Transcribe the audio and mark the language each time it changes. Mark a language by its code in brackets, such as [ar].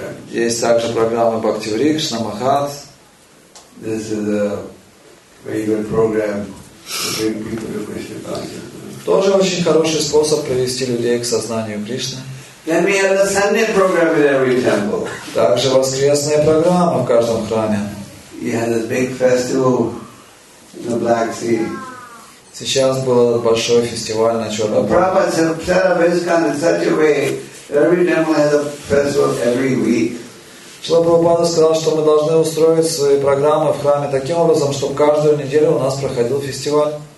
[ru] Есть также программа Бхакти Вриксна Махат. [en] This is a very good program to bring people to Krishna consciousness. [ru] Тоже очень хороший способ привести людей к сознанию Кришны. [en] Then we have the Sunday program in every temple. [ru] Также воскресная программа в каждом храме. [en] We had a big festival in the Black Sea. [ru] Сейчас был большой фестиваль на Черном [en] море. Prabhupada set up ISKCON in such a way that every temple has a festival every week. [ru] Шрила Прабхупада сказал, что мы должны устроить свои программы в храме таким образом, чтобы каждую неделю у нас проходил фестиваль.